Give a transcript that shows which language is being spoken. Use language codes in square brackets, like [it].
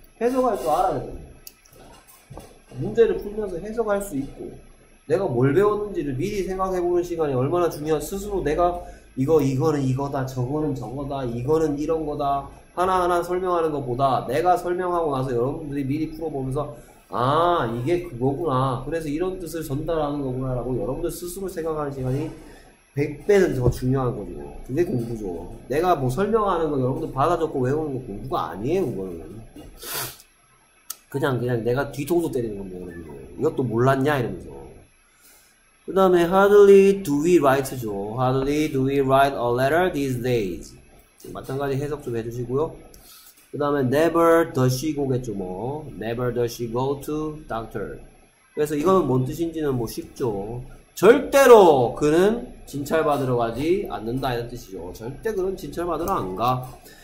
[ko] 해석할 줄 알아야 된다. 문제를 풀면서 해석할 수 있고 내가 뭘 배웠는지를 미리 생각해보는 시간이 얼마나 중요한 스스로 내가 이거는 이거다, 저거는 저거다, 이거는 이런 거다 하나하나 설명하는 것보다 내가 설명하고 나서 여러분들이 미리 풀어보면서 아 이게 그거구나, 그래서 이런 뜻을 전달하는 거구나라고 여러분들 스스로 생각하는 시간이 100배는 더 중요한 거죠. 그게 공부죠. 내가 뭐 설명하는 거 여러분들 받아적고 외우는 거 공부가 아니에요, 그거는. 그냥 내가 뒤통수 때리는 겁니다, 여러분들. 이것도 몰랐냐, 이러면서. 그 다음에, [en] hardly do we write죠. hardly do we write a letter these days. [ko] 마찬가지 해석 좀 해주시고요. 그 다음에, [en] never does she go겠죠, 뭐. never does she go to doctor. [ko] 그래서 이거는 뭔 뜻인지는 뭐 쉽죠. 절대로 그는 진찰받으러 가지 않는다 이런 뜻이죠. 절대 그런 진찰받으러 안 가.